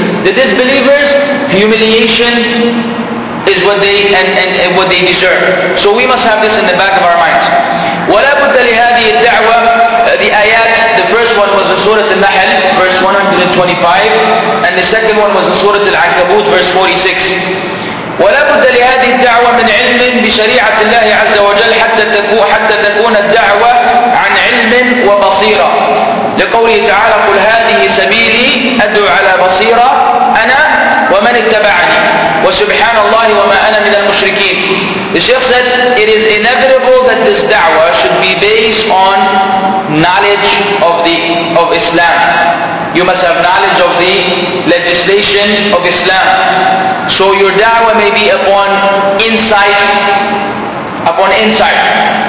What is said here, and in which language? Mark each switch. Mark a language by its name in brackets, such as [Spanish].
[English] The disbelievers, humiliation is what they and what they deserve. So we must have this in the back of our minds. [Arabic] وَلَا بُدَّ لِهَذِهِ الدَّعْوَةِ [English] The ayat, the first one was the Surah Al-Nahl, verse 125, and the second one was the Surah Al-Ankabut, verse 46. [Arabic] وَلَا بُدَّ لِهَذِهِ الدَّعْوَةِ مِنْ عِلْمٍ بِشَرِيعَةِ اللَّهِ عَزَّ وَجَلْ حَتَّى تَكُونَ الدَّعْوَةِ عَنْ عِلْمٍ وَبَصِيرًا لقوله تعالى قل هذه سبيلي أدعو على بصيرة أنا ومن اتبعني وسبحان الله وما أنا من المشركين. [English] The Shaykh said, it is inevitable that this da'wah should be based on knowledge of Islam. You must have knowledge of the legislation of Islam. So your da'wah may be upon insight. Upon insight.